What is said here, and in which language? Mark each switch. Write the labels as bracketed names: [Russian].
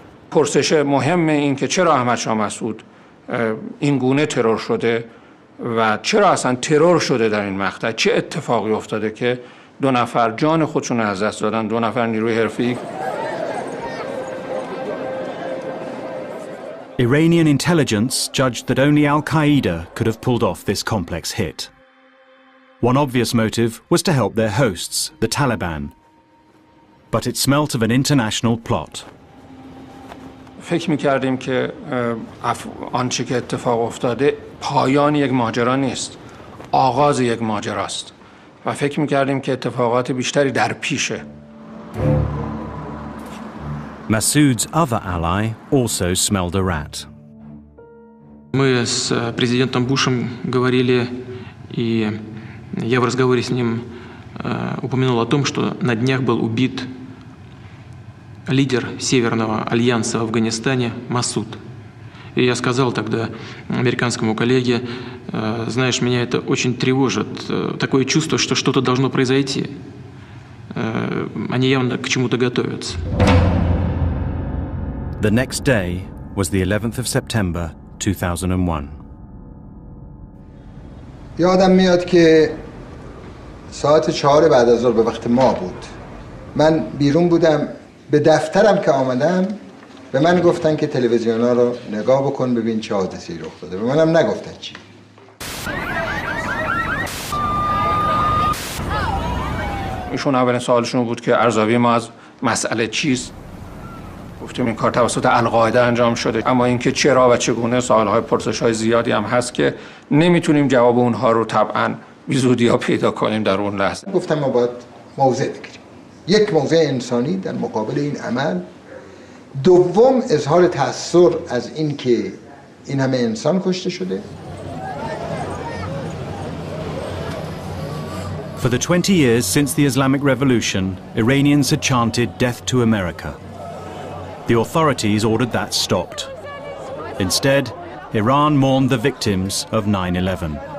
[Persian] پرسش مهم این که چرا احمد شاه مسعود این گونه ترور شده و چرا اصلا ترور شده در این مقطع؟ چه اتفاقی افتاده که دو نفر جان خودشون از دست دادن، دو نفر نیروی حرفه‌ای. [English] Iranian intelligence judged that only Al-Qaeda could have pulled off this complex hit. One obvious motive was to help their hosts, the Taliban. But it smelt of an international plot. [Persian] فکر می‌کردیم که آنچه که اتفاق افتاده پایان یک ماجرا نیست، آغاز یک ماجرا است. و فکر می‌کردیم که اتفاقات بیشتری در پیشه. [English] Massoud's other ally also smelled a rat. [Russian] Мы с президентом Бушем говорили, и я в разговоре с ним упомянул о том, что на днях был убит лидер Северного альянса в Афганистане Масуд. И я сказал тогда американскому коллеге: знаешь, меня это очень тревожит. Такое чувство, что что-то должно произойти. Они явно к чему-то готовятся. [English] The next day was the 11th of September 2001. [Persian] یادم میاد که ساعت 4 بعد از ظهر به وقت ما بود. من بیرون بودم به دفترم که آمدم به من گفتن که تلویزیون‌ها رو نگاه بکن ببین چه حادثه‌ای رخ داده. به منم نگفتن چی. ایشون اولین سوالشون بود که ارزیابی ما از مسئله چیست. گفتیم این کار توسط القاعده انجام شده، اما اینکه چرا و چگونه سوال‌های پرسش‌های زیادی هم هست که نمیتونیم جواب اونها رو طبعاً بی‌زودی ها پیدا کنیم در اون لحظه. گفتم ما باید موضع بگیریم، یک موضع انسانی در مقابل این عمل، دوم اظهار تأثیر از اینکه این همه انسان کشته شده. [English] For the 20 years since the Islamic Revolution, Iranians had chanted death to America. The authorities ordered that stopped. Instead, Iran mourned the victims of 9/11.